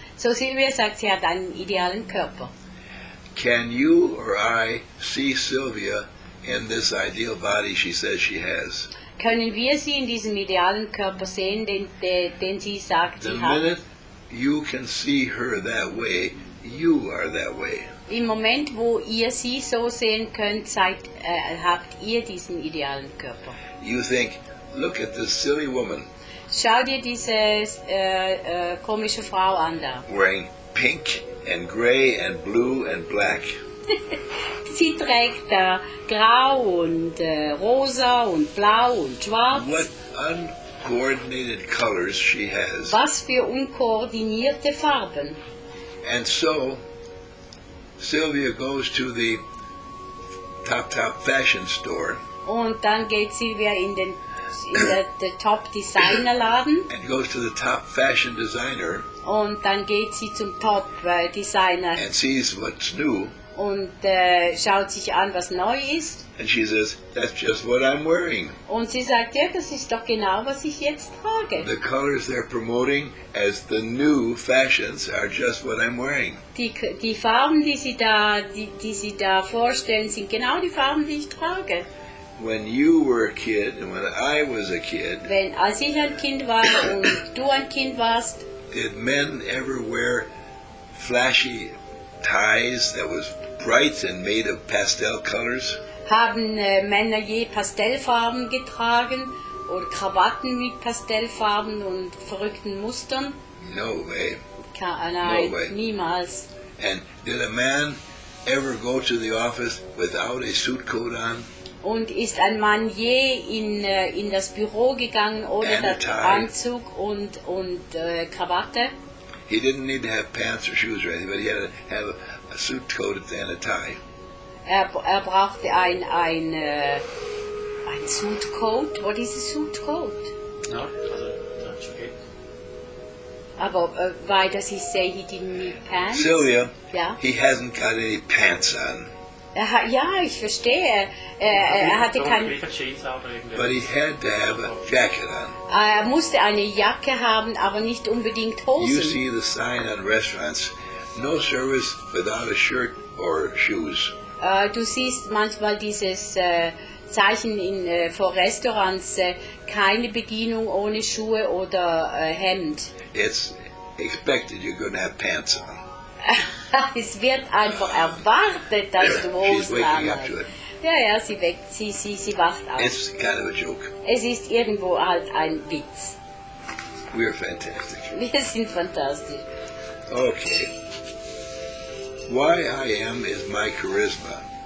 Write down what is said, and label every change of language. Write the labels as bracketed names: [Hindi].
[German] So Sylvia sagt, sie hat einen idealen Körper. [English] Can you or I see Sylvia in this ideal body she says she has? [German] Können wir sie in diesem idealen Körper sehen, den sie sagt, sie hat? [English] The minute you can see her that way, you are that way. [German] Im Moment, wo ihr sie so sehen könnt, habt ihr diesen idealen Körper. [English] You think, look at this silly woman. [German] Schau dir diese komische Frau an da. [English] Wearing pink and gray and blue and black. [German] Sie trägt da grau und rosa und blau und schwarz. [English] What uncoordinated colors she has. [German] Was für unkoordinierte Farben. [English] And so, Sylvia goes to the top fashion store. [German] Und dann geht Sylvia in den [English] the [German] Top Designer Laden. [English] And goes to the Top Fashion Designer. [German] Und dann geht sie zum Top Designer. [English] And sees what's new. [German] Und schaut sich an, was neu ist. [English] And she says, that's just what I'm wearing. [German] Und sie sagt, ja, das ist doch genau, was ich jetzt trage. [English] The colors they're promoting as the new fashions are just what I'm wearing. [German] Die Farben, die sie da vorstellen, sind genau die Farben, die ich trage. [English] When you were a kid and when I was a kid, [German] als ich ein Kind war und du ein Kind warst, [English] did men ever wear flashy ties that was bright and made of pastel colors? [German] Haben Männer je Pastellfarben getragen oder Krawatten mit Pastellfarben und verrückten Mustern? [English] No way. [German] Niemals. [English] And did a man ever go to the office without a suit coat on? [German] Und ist ein Mann je in das Büro gegangen ohne Anzug und Krawatte? [English] He didn't need to have pants or shoes or anything, but he had to have a suit coat and a tie. [German] Er brauchte ein [English] suit coat. What is a suit coat? No, okay. [German] Aber [English] why does he say he didn't need pants? Sylvia, yeah? He hasn't got any pants on. [German] Ja, ich verstehe. Er hatte kein. [English] But he had to have a jacket on. [German] Er musste eine Jacke haben, aber nicht unbedingt Hosen. [English] You see the sign at restaurants: no service without a shirt or shoes. [German] Du siehst manchmal dieses Zeichen in vor Restaurants: keine Bedienung ohne Schuhe oder Hemd. [English] It's expected you're going to have pants on. [German] Es wird einfach erwartet, dass du Hosen anhast. Ja, ja, sie weckt, sie wacht auf. [English] It's kind of a joke. [German] Es ist irgendwo halt ein Witz. [English] We're fantastic. [German] Wir sind fantastisch. [English] Okay. Why I am is my charisma.